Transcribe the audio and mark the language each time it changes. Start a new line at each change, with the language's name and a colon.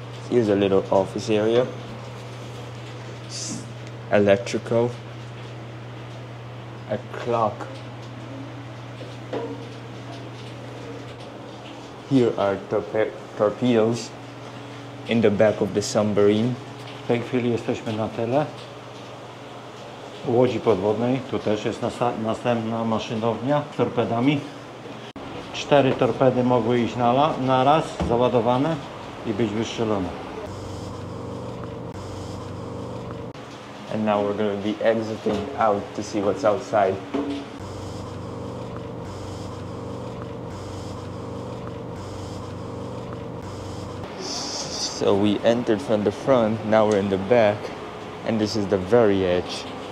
English: Here's a little office area. Electrical. A clock. Here are torpedoes in the back of the submarine.
Polish: W tej chwili jesteśmy na tyle. W łodzi podwodnej, tu też jest następna maszynownia z torpedami. Cztery torpedy mogły iść na raz, załadowane i być wystrzelone.
English: And now we're going to be exiting out to see what's outside. So we entered from the front, now we're in the back, and this is the very edge.